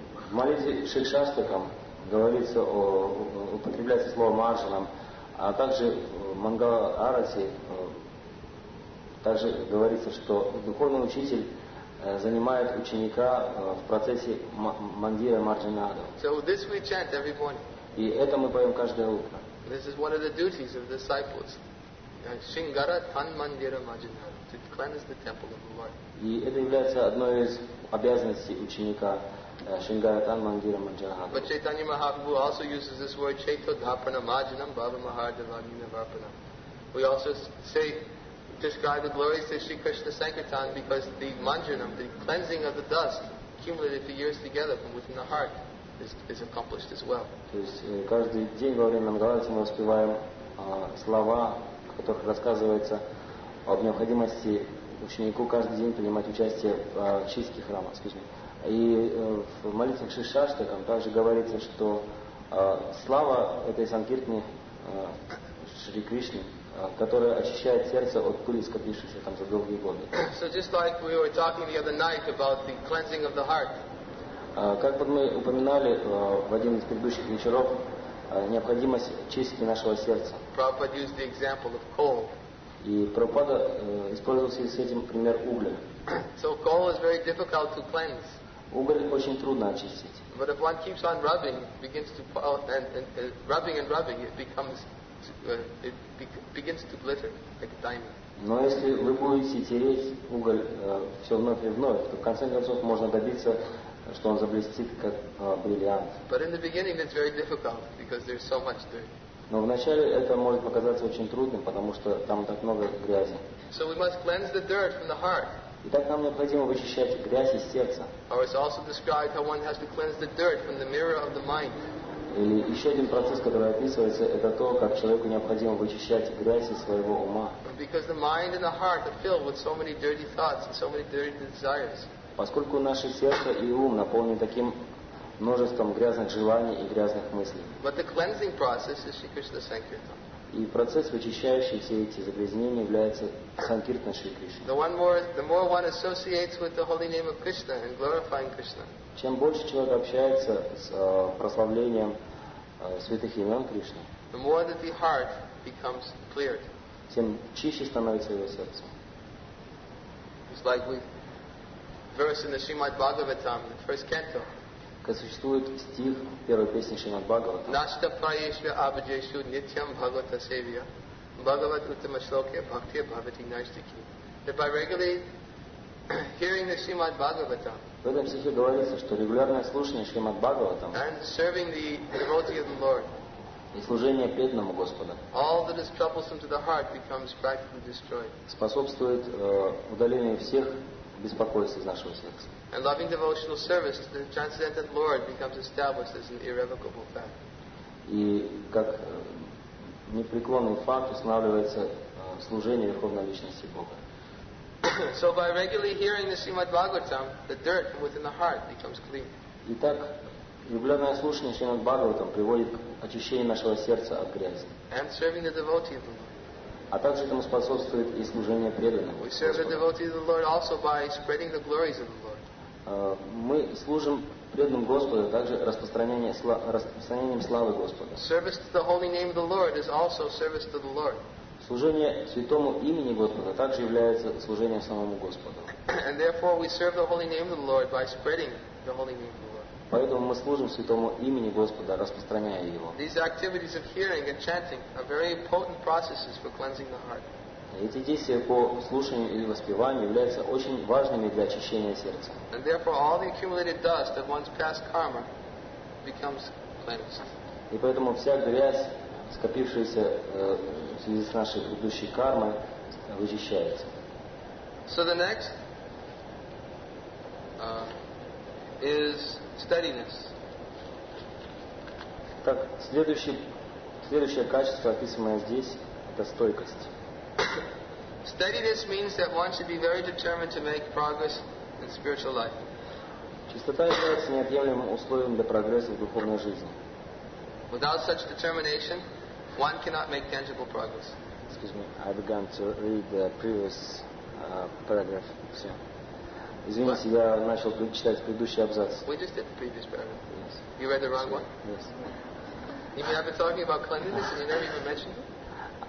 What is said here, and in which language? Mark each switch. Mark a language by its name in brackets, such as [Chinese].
[Russian] В молитве Шикшастакам говорится о употребляется слово маджанам, а также Мангала Арати также говорится, что духовный учитель занимает ученика в процессе мандира маджанада. [English] So this we chant every morning. [Russian] И это мы поем каждое утро. [English] This is one of the duties of disciples. [Sanskrit] Shingara tan mandira maginada. [English] To cleanse the temple of the Lord. [Russian] И это является одной из обязанностей ученика [Sanskrit] Шингара Тан Мандира Маджанада. [English] But Chaitanya Mahaprabhu also uses this word [Sanskrit] Chaito Dhapana Majanam Baba Mahardavagina Vapana. [English] We also say describe the glories of Sri Krishna Sankirtan because the manjanam, the cleansing of the dust accumulated for years together from within the heart is accomplished as well. [Russian] То есть каждый день во время Мангалати мы воспеваем слова, в которых рассказывается об необходимости ученику каждый день принимать участие в чистке храма. В молитвах Шикшастакам также говорится, что слава этой Санкиртны Шри Кришны, которая очищает сердце от пыли, скопившейся там за долгие годы. [English] So just like we were talking the other night about the cleansing of the heart. [Russian] Как мы упоминали в один из предыдущих вечеров, необходимость чистки нашего сердца. [English] Prabhupada used the example of coal. [Russian] И Прабхупада использовался с этим пример угля. [English] So coal is very difficult to cleanse. [Russian] Уголь очень трудно очистить. [English] But if one keeps on rubbing, it begins to rubbing, it begins to glitter like a diamond. [Russian] Но если вы будете тереть уголь все вновь и вновь, то в конце концов можно добиться, что он заблестит как бриллиант. [English] But in the beginning it's very difficult because there's so much dirt. [Russian] Но вначале это может показаться очень трудным, потому что там так много грязи. [English] So we must cleanse the dirt from the heart. [Russian] Итак, нам необходимо вычищать грязь из сердца. [English] Or it's also described how one has to cleanse the dirt from the mirror of the mind. [Russian] Или еще один процесс, который описывается, это то, как человеку необходимо вычищать грязь из своего ума. [English] Because the mind and the heart are filled with so many dirty thoughts and so many dirty desires. [Russian] Поскольку наше сердце и ум наполнены таким множеством грязных желаний и грязных мыслей. [English] But the cleansing process is Shri Krishna Sankirtan. [Russian] И процесс, вычищающий все эти загрязнения, является Санкиртна Шри Кришна. [English] The more one associates with the holy name of Krishna and glorifying Krishna. [Russian] Чем больше человек общается с прославлением святых имен Кришны, [English] the more that the heart becomes cleared. [Russian] Тем чище становится его сердце. [English] It's like we verse in the Srimad Bhagavatam, the first canto. [Russian] Как существует стих первой песни Шримад Бхагаватам. [Sanskrit] Нашта праешве абджешу нитям бхагавата севья. Бхагават уттама шлоке бхакти бхавати наштики. [English] That by regularly hearing the Shrimad Bhagavatam. [Russian] В этом стихе говорится, что регулярное слушание Шримад Бхагаватам. [English] And serving the devotee of the Lord. [Russian] И служение преданному Господу. [English] All that is troublesome to the heart becomes practically destroyed. [Russian] Способствует удалению всех беспокойств из нашего сердца. [English] And loving devotional service to the transcendent Lord becomes established as an irrevocable fact. [Russian] И как непреклонный факт устанавливается служение Верховной Личности Бога. [English] So by regularly hearing the Srimad Bhagavatam, the dirt from within the heart becomes clean. [Russian] Итак, влюбленное слушание Шримад Бхагаватам приводит к очищению нашего сердца от грязи. [English] And serving the devotee of the Lord. [Russian] А также этому способствует и служение преданным. [English] We serve the devotee of the Lord also by spreading the glories of the Lord. [Russian] Мы служим преданным Господу, также распространением славы Господа. [English] Service to the holy name of the Lord is also service to the Lord. [Russian] Служение святому имени Господа также является служением самому Господу. [English] And therefore we serve the holy name of the Lord by spreading the holy name of the Lord. [Russian] Поэтому мы служим святому имени Господа, распространяя его. [English] These activities of hearing and chanting are very potent processes for cleansing the heart. [Russian] Эти действия по слушанию или воспеванию являются очень важными для очищения сердца. [English] And therefore all the accumulated dust of one's past karma becomes cleansed. [Russian] И поэтому вся грязь, скопившаяся в связи с нашей предыдущей кармой, вычищается. [English] So the next is steadiness. [Russian] Так, следующее качество, описанное здесь, это стойкость. [English] Steadiness means that one should be very determined to make progress in spiritual life. [Russian] Чистота является неотъемлемым условием для прогресса в духовной жизни. [English] Without such determination, one cannot make tangible progress. Excuse me, I began to read the previous paragraph. [Russian] So, извините, я начал читать предыдущий абзац. [English] We just did the previous paragraph. Yes. You read the wrong one? Yes. You mean I've been talking about cleanliness and you never even mentioned it?